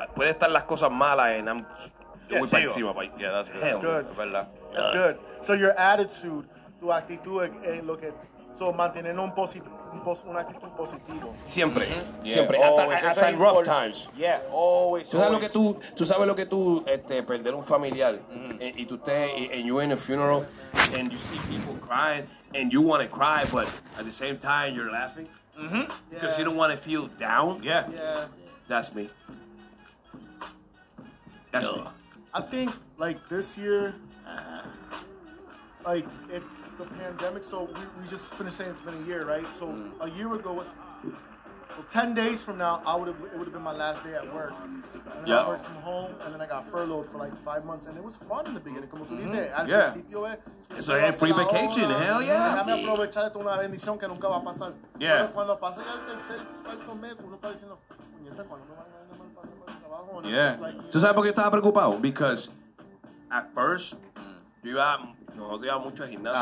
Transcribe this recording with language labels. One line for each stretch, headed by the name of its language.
Spanish: Puede estar las cosas malas en ambos. Yo voy para encima.
English: Yeah, that's good. That's good.
Spanish: Verdad.
English: That's good. So your attitude,
Spanish: tu actitud es lo que... So mantener un actitud positivo. Siempre. Mm-hmm. Yeah. Siempre. Hasta en
English: rough times. Yeah, always.
Spanish: Tú sabes lo que tú perder un familiar. Mm-hmm. Y tú
English: and you're in a funeral, and you see people crying, and you want to cry, but at the same time, you're laughing. Mm-hmm. Because you don't want to feel down. Yeah. That's me. That's me. I think, like, this year, like, if the pandemic, so we just finished saying it's been a year, right? So a year ago, well, 10 days from now, it would have been my last day at work. And then I worked from home, and then I got furloughed for, like, 5 months. And it was fun in the beginning.
Spanish: Como tú dices, al principio,
English: it's a free vacation, hell yeah.
Spanish: Déjame aprovechar esto, una bendición que nunca va a pasar.
English: Yeah.
Spanish: Pero cuando pasa ya el tercer, cuarto mes, uno está diciendo, puñeta, ¿cuándo me van a dar el trabajo?
English: And yeah. Like,
Spanish: ¿tú sabes por qué estaba preocupado?
English: Because at first,
Spanish: nosotros íbamos mucho al gimnasio.